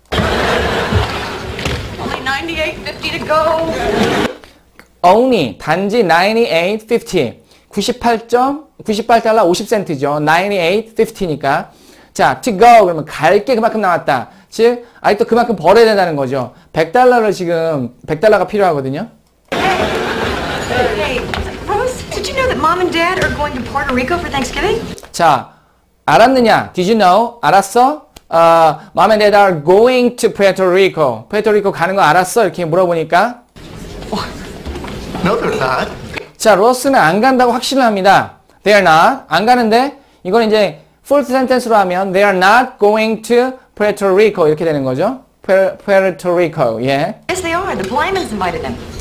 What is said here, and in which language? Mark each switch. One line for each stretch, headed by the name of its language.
English: Only 98.50 to go.
Korean: Only, 단지 98.50, 98달러 50센트죠. 98.50니까. 자, to go, 그러면 갈 게 그만큼 남았다. 즉, 아직도 그만큼 벌어야 된다는 거죠. 100달러를 지금, 100달러가 필요하거든요.
English: Hey, Rose, did you know that mom and dad are going to Puerto Rico for Thanksgiving?
Korean: 자, 알았느냐?
English: Did you know?
Korean: 알았어?
English: Mom and Dad are going to Puerto Rico.
Korean: Puerto Rico 가는 거 알았어? 이렇게 물어보니까.
English: No, they're not.
Korean: 자, 로스는 안 간다고 확신을 합니다.
English: They are not.
Korean: 안 가는데, 이건 이제
English: full sentence로 하면 They are not going to Puerto Rico.
Korean: 이렇게 되는 거죠.
English: Puerto Rico. 예. Yes, they are. The Blymans invited them.